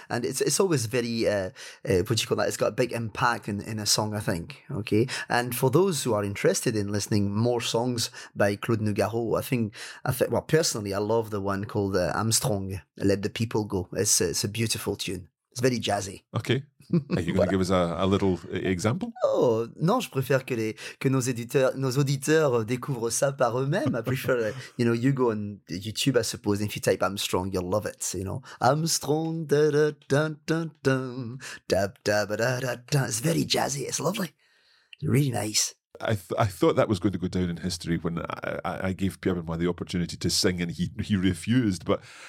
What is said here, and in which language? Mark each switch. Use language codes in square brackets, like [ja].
[en] and it's always very, what do you call that? It's got a big impact in a song, I think. Okay, and for those who are interested in listening more songs by Claude Nougaro, I think, personally, I love the one called Armstrong, Let the People Go. It's a beautiful tune. It's very jazzy. Okay. Are you going to give us a little example? [fr] Oh, non, je préfère que nos auditeurs découvrent ça par eux-mêmes. [en] I prefer, you know, you go on YouTube, I suppose, and if you type Armstrong, you'll love it, you know. Armstrong, da-da-dun-dun-dun, da-da-da-da-dun. It's very jazzy. It's lovely. It's really nice. I thought that was going to go down in history when I gave Pierre Benoit the opportunity to sing and he refused, but...